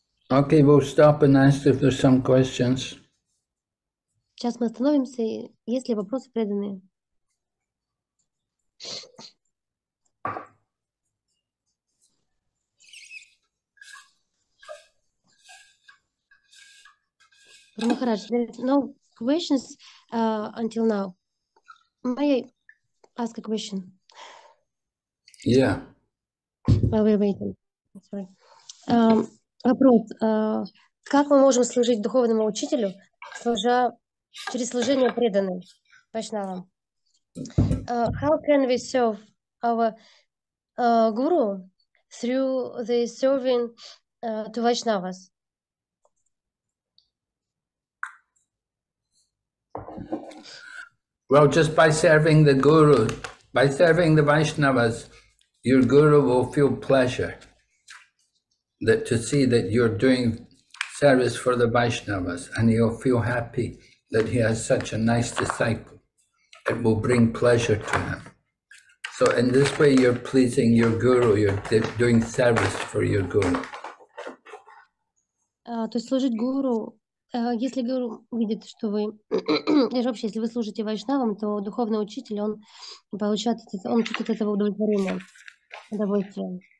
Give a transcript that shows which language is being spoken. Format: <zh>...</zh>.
<en>Okay, we'll stop and ask if there's some questions.</en> <ru>Сейчас мы остановимся, и есть ли вопросы преданные?</ru> <en>Махарадж, there are no questions until now. May I ask a question? Yeah. While we're waiting. Sorry.</en> <ru>Вопрос. Как мы можем служить духовному учителю, служа через служение преданным? Вайшнавам.</ru> <en>How can we serve our guru through the serving to Vaishnavas? Well, just by serving the guru, by serving the Vaishnavas, your guru will feel pleasure. That to see that you're doing service for the Vaishnavas, and he'll feel happy that he has such a nice disciple. It will bring pleasure to him. So in this way, you're pleasing your guru, you're doing service for your guru.</en> <ru>То есть служить гуру, если гуру видит, что вы, или вообще, если вы служите Вайшнавам, то духовный учитель, он получает, он чувствует этого удовлетворения, удовольствия.</ru>